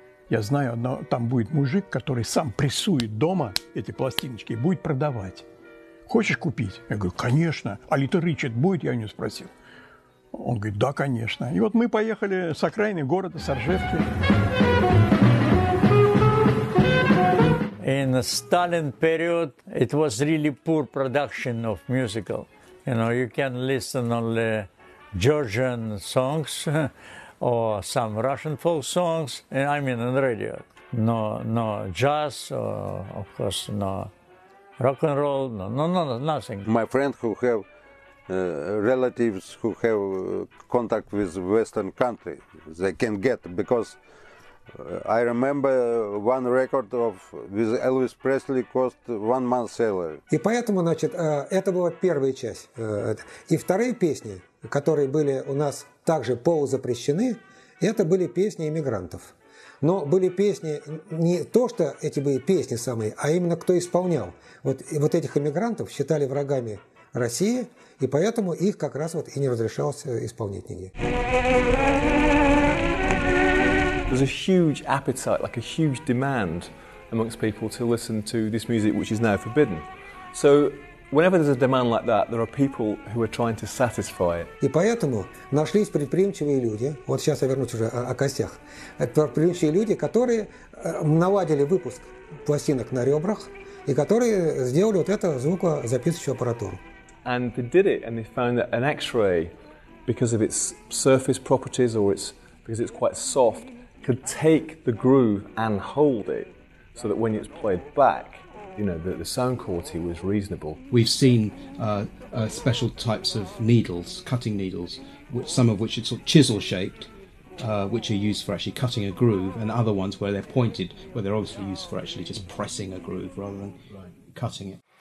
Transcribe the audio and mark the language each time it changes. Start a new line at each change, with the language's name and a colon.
Russian: Я знаю, там будет мужик, который сам прессует дома эти пластиночки и будет продавать. Хочешь купить? Я говорю: конечно. А Литл Ричард будет? Я у него спросил. Он говорит: да, конечно. И вот мы поехали с окраины города, с Оржевки.
English: In the Stalin period, it was really poor production of musical. You know, you can listen only Georgian songs or some Russian folk songs, I mean on radio. No jazz, or of course no rock and roll, no nothing. My friend who have relatives who have contact with Western country, they can get, because I remember one record of with Elvis Presley cost one month's salary.
Russian: И поэтому, значит, это была первая часть. И вторые песни, которые были у нас также полузапрещены, это были песни эмигрантов. Но были песни не то, что эти были песни самые, а именно кто исполнял. Вот этих эмигрантов считали врагами России, и поэтому их как раз вот и не разрешалось исполнять нигде.
English: There's a huge appetite, like a huge demand amongst people to listen to this music, which is now forbidden. So whenever there's a demand like that, there are people who are trying to satisfy it.
Russian: И поэтому нашлись предприимчивые люди, вот сейчас я вернусь уже о костях, это предприимчивые люди, которые наладили выпуск пластинок на ребрах и которые сделали вот эту звукозаписывающую аппаратуру.
English: And they did it, and they found that an X-ray, because of its surface properties or its because it's quite soft, could take the groove and hold it, so that when it's played back, you know, the sound quality was reasonable. We've seen special types of needles, cutting needles, which some of which are sort of chisel-shaped, which are used for actually cutting a groove, and other ones where they're pointed, where they're obviously used for actually just pressing a groove rather than cutting it.